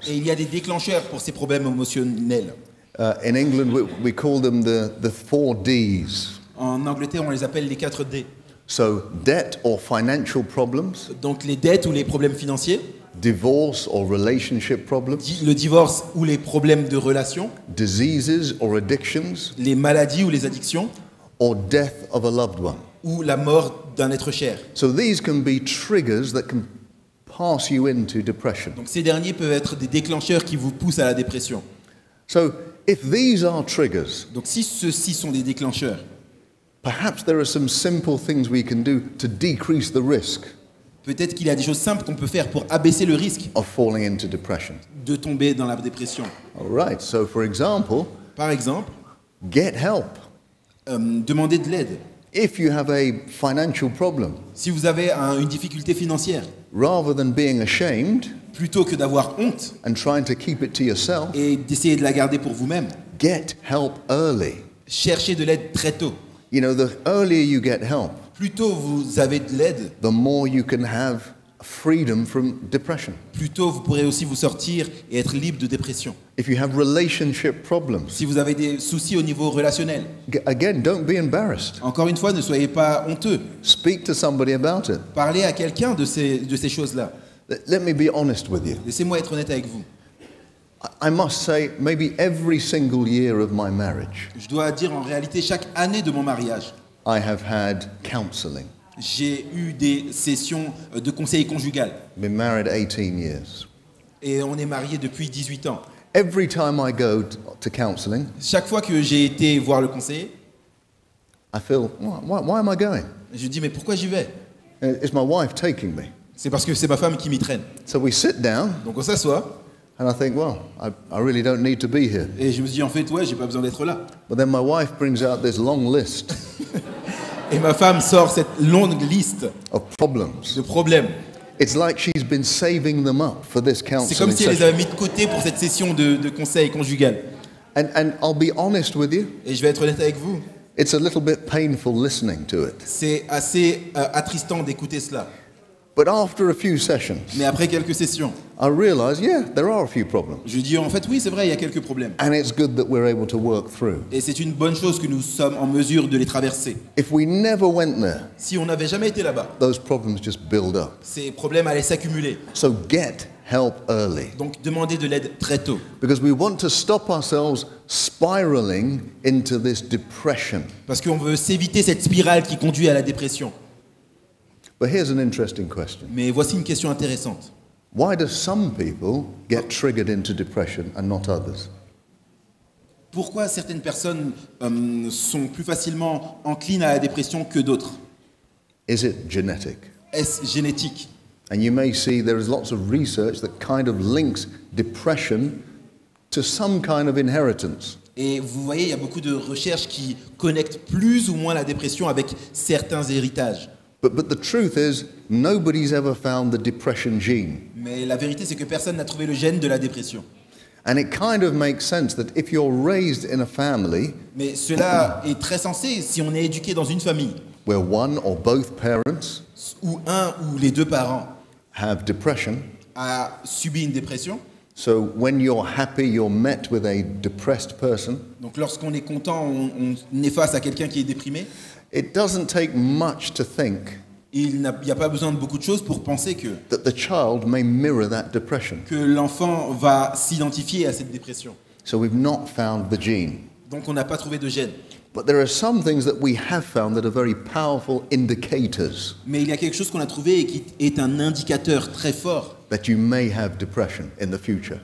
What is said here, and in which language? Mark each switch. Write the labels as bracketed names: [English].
[French] Et il y a des déclencheurs pour ces problèmes émotionnels. [English] In England, we call them the four Ds. [French] En Angleterre, on les appelle les 4 D. [English] So debt or financial problems. [French] Donc les dettes ou les problèmes financiers. [English] Divorce or relationship problems. [French] Le divorce ou les problèmes de relation. [English] Diseases or addictions. [French] Les maladies ou les addictions. [English] Or death of a loved one. [French] Ou la mort d'un être cher. [English] So these can be triggers that can pass you into depression. [French] Donc ces derniers peuvent être des déclencheurs qui vous poussent à la dépression. [English] So if these are triggers. [French] Donc si ceux-ci sont des déclencheurs. [English] Perhaps there are some simple things we can do to decrease the risk. [French] Peut-être qu'il y a des choses simples qu'on peut faire pour abaisser le risque [English] of falling into depression. [French] De tomber dans la dépression. [English] All right. So for example, [French] par exemple, [English] get help. [French] Demandez de l'aide. [English] If you have a financial problem. [French] Si vous avez une difficulté financière. [English] Rather than being ashamed. [French] Plutôt que d'avoir honte. [English] And trying to keep it to yourself. [French] Et d'essayer de la garder pour vous-même. [English] Get help early. [French] Cherchez de l'aide très tôt. [English] You know, the earlier you get help, [French] plus tôt vous avez de l'aide, [English] the more you can have freedom from depression. [French] Plus tôt vous pourrez aussi vous sortir et être libre de dépression. [English] If you have relationship problems, [French] si vous avez des soucis au niveau relationnel, [English] again, don't be embarrassed. [French] Encore une fois, ne soyez pas honteux. [English] Speak to somebody about it. [French] Parlez à quelqu'un de ces choses-là. [English] Let me be honest with you. [French] Laissez-moi être honnête avec vous. [English] I must say, maybe every single year of my marriage. [French] Je dois dire en réalité chaque année de mon mariage. [English] I have had counseling. [French] J'ai eu des sessions de conseil conjugal. [English] Been married 18 years. [French] Et on est mariés depuis 18 ans. [English] Every time I go to counseling. [French] Chaque fois que j'ai été voir le conseiller. [English] I feel why am I going? [French] Je dis mais pourquoi j'y vais? [English] Is my wife taking me? [French] C'est parce que c'est ma femme qui m'y traîne. [English] So we sit down. [French] Donc on s'assoit. [English] And I think, well, I really don't need to be here. [French] Et je me dis en fait, ouais, j'ai pas besoin d'être là. [English] But then my wife brings out this long list. [French] Et ma femme sort cette longue liste [English] of problems. [French] De problèmes. [English] It's like she's been saving them up for this counseling. [French] C'est comme si elle les avait mis de côté pour cette session de conseil conjugal. [English] And I'll be honest with you. [French] Et je vais être honnête avec vous. [English] It's a little bit painful listening to it. [French] C'est assez attristant d'écouter cela. [English] But after a few sessions, [French] mais après quelques sessions, [English] I realize, yeah, there are a few problems. [French] Je dis en fait oui, c'est vrai, il y a quelques problèmes. [English] And it's good that we're able to work through. [French] Et c'est une bonne chose que nous sommes en mesure de les traverser. [English] If we never went there, [French] si on n'avait jamais été là-bas, [English] those problems just build up. [French] Ces problèmes allaient s'accumuler. [English] So get help early. [French] Donc demandez de l'aide très tôt. [English] Because we want to stop ourselves spiraling into this depression. [French] Parce qu'on veut s'éviter cette spirale qui conduit à la dépression. [English] But here's an interesting question. [French] Mais voici une question intéressante. [English] Why do some people get triggered into depression and not others? [French] Pourquoi certaines personnes sont plus facilement enclines à la dépression que d'autres? [English] Is it genetic? [French] Est-ce génétique? [English] And you may see there is lots of research that kind of links depression to some kind of inheritance. [French] Et vous voyez, il y a beaucoup de recherches qui connectent plus ou moins la dépression avec certains héritages. [English] But the truth is, nobody's ever found the depression gene. [French] Mais la vérité, c'est que personne n'a trouvé le gène de la dépression. [English] And it kind of makes sense that if you're raised in a family, [French] mais cela est très sensé si on est éduqué dans une famille, [English] where one or both parents, [French] où un ou les deux parents, [English] have depression, [French] a subi une dépression. [English] So when you're happy, you're met with a depressed person. [French] Donc lorsqu'on est content, on est face à quelqu'un qui est déprimé. [English] It doesn't take much to think. [French] Il n'y a pas besoin de beaucoup de choses pour penser que [English] that the child may mirror that depression. [French] Que l'enfant va s'identifier à cette dépression. [English] So we've not found the gene. [French] Donc on n'a pas trouvé de gène. [English] But there are some things that we have found that are very powerful indicators. [French] Mais il y a quelque chose qu'on a trouvé et qui est un indicateur très fort. [English] That you may have depression in the future.